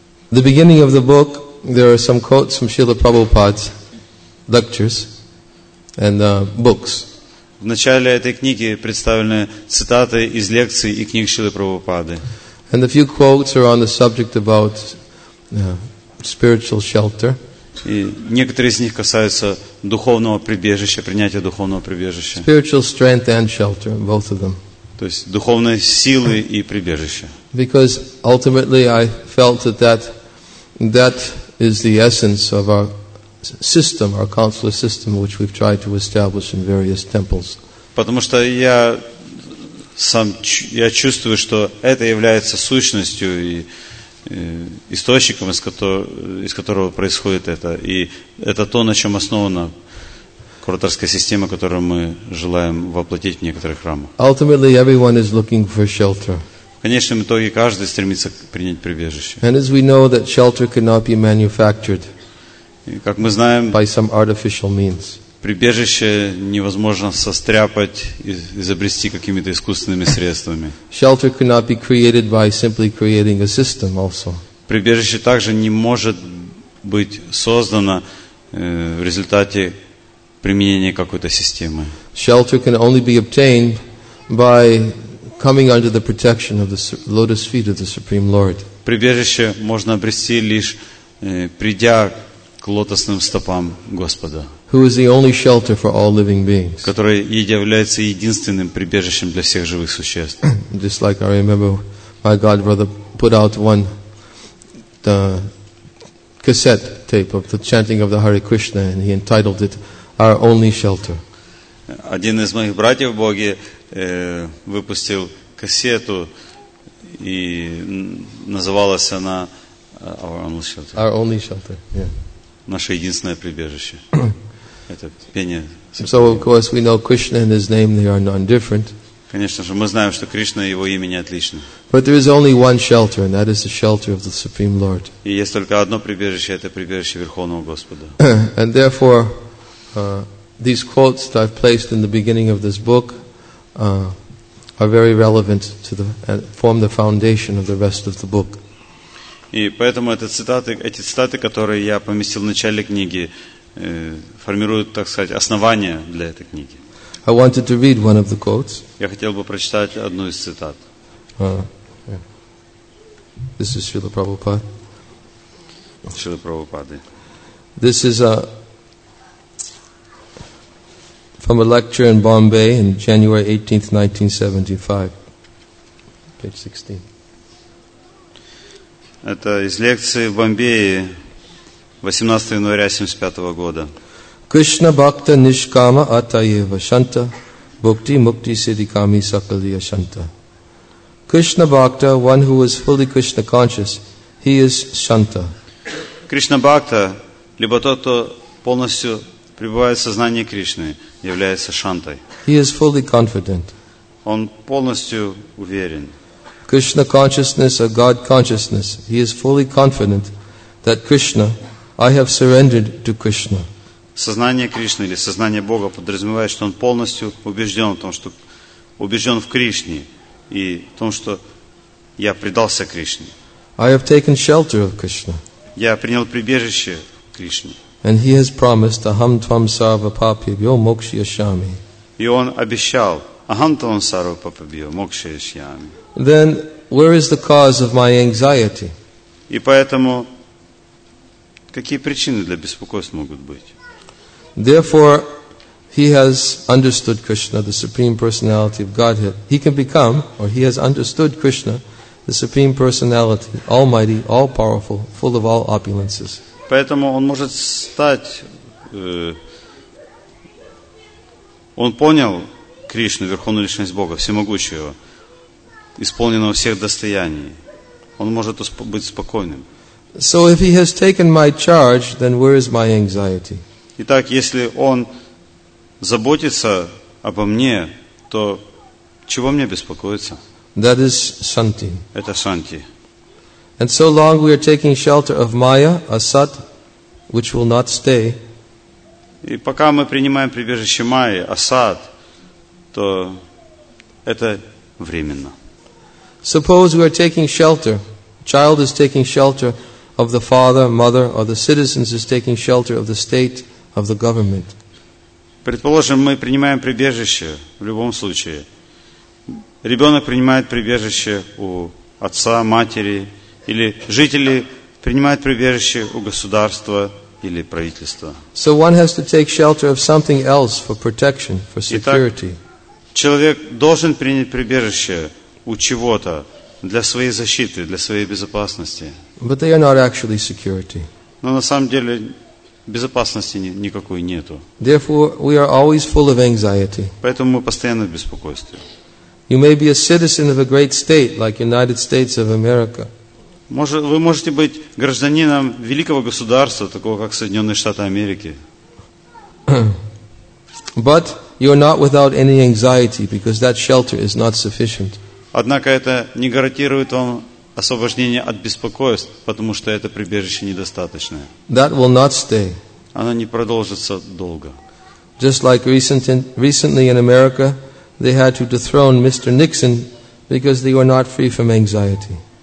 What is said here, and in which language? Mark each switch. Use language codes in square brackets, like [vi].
[en] The beginning of the book, there are some quotes from Srila Prabhupada's lectures and books. [ru] В начале этой книги представлены цитаты из лекций и книг Шрилы Прабхупады. [en] And a few quotes are on the subject about spiritual shelter. [ru] И некоторые из них касаются духовного прибежища, принятия духовного прибежища. [en] Spiritual strength and shelter, both of them. [ru] То есть духовной силы и прибежища. [en] Because ultimately I felt that is the essence of our system, our consular system, which we've tried to establish in various temples. [ru] Потому что я сам я чувствую, что это является сущностью и источником, из которого происходит это, и это то, на чем основана кураторская система, которую мы желаем воплотить в некоторых храмах. [en] Ultimately, everyone is looking for shelter. [ru] В конечном итоге каждый стремится принять прибежище. [en] And as we know that shelter cannot be manufactured, [ru] как мы знаем, [en] by some artificial means. [ru] Прибежище невозможно состряпать и изобрести какими-то искусственными средствами. [en] Shelter cannot be created by simply creating a system also. [ru] Прибежище также не может быть создано в результате применения какой-то системы. [en] Shelter can only be obtained by coming under the protection of the lotus feet of the Supreme Lord. [ru] Прибежище можно обрести лишь придя к лотосным стопам Господа. [en] Who is the only shelter for all living beings? [ru] Который является единственным прибежищем для всех живых существ. [en] Just like I remember, my godbrother put out one the cassette tape of the chanting of the Hare Krishna, and he entitled it "Our Only Shelter." [ru] Один из моих братьев Боги выпустил кассету и называлась она Our Only Shelter. [en] Our Only Shelter. Yeah. [ru] Наше единственное прибежище. Это пение. [en] So of course we know Krishna and his name, they are non-different. [ru] Конечно же, мы знаем, что Кришна и его имя не отличны. [en] But there is only one shelter, and that is the shelter of the Supreme Lord. [ru] И есть только одно прибежище, это прибежище Верховного Господа. [en] And therefore these quotes that I've placed in the beginning of this book are very relevant to the form the foundation of the rest of the book. [ru] И поэтому эти цитаты, которые я поместил в начале книги, формируют, так сказать, основание для этой книги. [en] I wanted to read one of the quotes. [ru] Я хотел бы прочитать одну из цитат. [en] This is Srila Prabhupada. Srila Prabhupada. This is from a lecture in Bombay in January 18th, 1975. Page 16. [ru] Это из лекции в Бомбее 18 января 1975 года. [sa] Кришна бхакта нишкама атаева шанта бхакти мукти сидиками сакалия шанта. [en] Кришна бхакта, one who is fully Krishna conscious, he is шанта. [ru] Кришна бхакта, либо тот, кто полностью пребывает в сознании Кришны, является шантой. [en] He is fully confident. [ru] Он полностью уверен. [en] Krishna consciousness or God consciousness, he is fully confident that Krishna, I have surrendered to Krishna. [ru] Сознание Кришны или сознание Бога подразумевает, что он полностью убежден в Кришне и в том, что я предался Кришне. [en] I have taken shelter of Krishna. [ru] Я принял прибежище Кришне. [en] And he has promised [sa] aham tvam sarva papibhyo mokshayishyami. [ru] И он обещал [sa] aham tvam sarva papibhyo mokshayishyami. [en] Then where is the cause of my anxiety? [ru] И поэтому Какие причины для беспокойства могут быть? [en] Therefore, he has understood Krishna, the Supreme Personality of Godhead. He can become, or he has understood Krishna, the Supreme Personality, Almighty, All-Powerful, full of all opulences. [ru] Поэтому он может стать, он понял Кришну, Верховную Личность Бога, Всемогущего, исполненного всех достояний. Он может быть спокойным. [en] So if he has taken my charge, then where is my anxiety? [ru] Итак, если он заботится обо мне, то чего мне беспокоиться? [en] That is shanti. [ru] Это шанти. [en] And so long we are taking shelter of Maya, Asat, which will not stay. [ru] И пока мы принимаем прибежище Майи, Асад, то это временно. [en] Suppose we are taking shelter. Child is taking shelter of the father, mother, or the citizens is taking shelter of the state, of the government. [ru] Предположим, мы принимаем прибежище в любом случае. Ребенок принимает прибежище у отца, матери, или жители принимают прибежище у государства или правительства. [en] So one has to take shelter of something else for protection, for security. [ru] Итак, человек должен принять прибежище у чего-то для своей защиты, для своей безопасности. [en] But they are not actually security. [ru] Но на самом деле безопасности никакой нету. [en] Therefore, we are always full of anxiety. [ru] Поэтому мы постоянно в беспокойстве. [en] You may be a citizen of a great state, like United States of America. [ru] Вы можете быть гражданином великого государства, такого как Соединенные Штаты Америки. [en] But you are not without any anxiety, because that shelter is not sufficient. [ru] Однако это не гарантирует вам освобождение от беспокойств, потому что это прибежище недостаточное. [en] That will not stay. [ru] Оно не продолжится долго. [en] Just like recently in America, they had to dethrone Mr. Nixon because they were not free from anxiety.